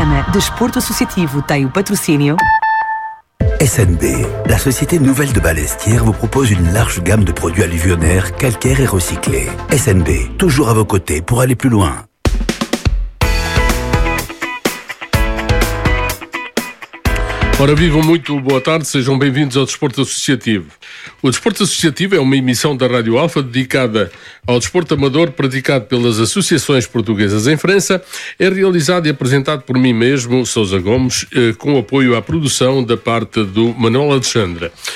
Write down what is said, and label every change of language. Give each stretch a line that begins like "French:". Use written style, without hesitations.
Portuguese: Desporto Associativo tem o patrocínio.
French: SNB, la société nouvelle de Balestière, vous propose une large gamme de produits alluvionnaires, calcaires et recyclés. SNB, toujours à vos côtés pour aller plus loin.
Portuguese: Ora, vivam muito, boa tarde, sejam bem-vindos ao Desporto Associativo. O Desporto Associativo é uma emissão da Rádio Alfa dedicada ao desporto amador praticado pelas associações portuguesas em França. É realizado e apresentado por mim mesmo, Sousa Gomes, com apoio à produção da parte do Manuel Alexandre.